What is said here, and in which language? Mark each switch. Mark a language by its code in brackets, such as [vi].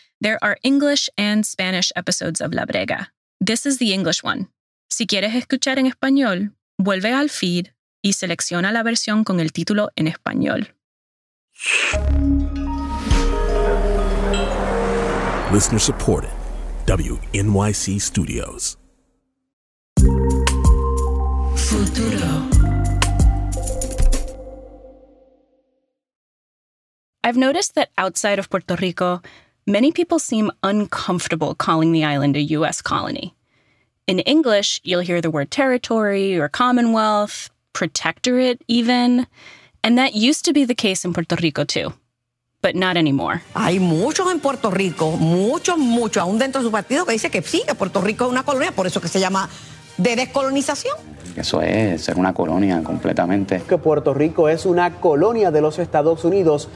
[en] There are English and Spanish episodes of La Brega. This is the English one. [es] Si quieres escuchar en español, vuelve al feed y selecciona la versión con el título en español. [en] Listener supported. WNYC Studios. [es] Futuro. [en] I've noticed that outside of Puerto Rico, many people seem uncomfortable calling the island a U.S. colony. In English, you'll hear the word territory or commonwealth, protectorate even. And that used to be the case in Puerto Rico, too. But not anymore. [es] Hay muchos en Puerto Rico, muchos, muchos, aún dentro de su partido, que dice que sí, que Puerto Rico es una colonia, por eso que se llama de descolonización. Eso es ser una colonia completamente. Que Puerto Rico es una colonia de los Estados Unidos.